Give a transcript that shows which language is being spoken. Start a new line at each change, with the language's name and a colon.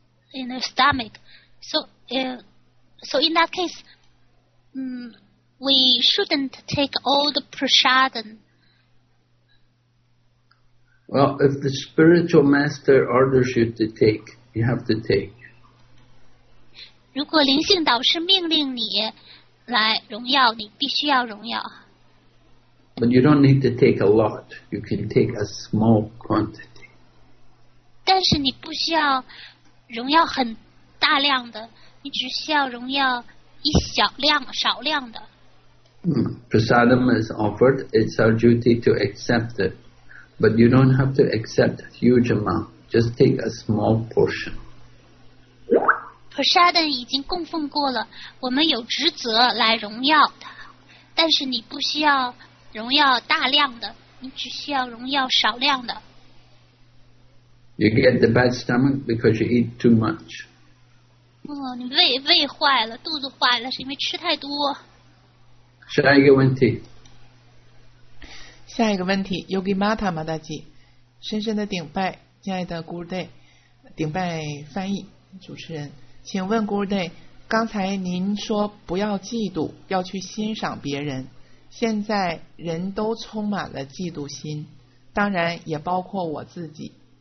English: In the stomach, so in that case, we shouldn't take all the prasadam. Well, if the spiritual master orders you to take, you have to take.
Chinese: 如果灵性导师命令你来荣耀，你必须要荣耀。
English: But you don't need to take a lot. You can take a small quantity.
Chinese: 但是你不需要。荣耀很大量的，你只需要荣耀一小量、少量的。
English: Prasadam is offered; it's our duty to accept it, but you don't have to accept a huge amount. Just take a small portion.
Chinese: Prasadam 已经供奉过了，我们有职责来荣耀它，但是你不需要荣耀大量的，你只需要荣耀少量的。
English: You get the bad stomach because you eat too much.
Chinese: 你胃坏了，肚子坏了，是因为吃太多。下一个问题。下一个问题 ，Yogi Mata Madaji， 深深的顶拜，亲爱的 Guruday， 顶拜翻译主持人，请问 Guruday， 刚才您说不要嫉妒，要去欣赏别人，现在人都充满了嫉妒心，当然也包括我自己。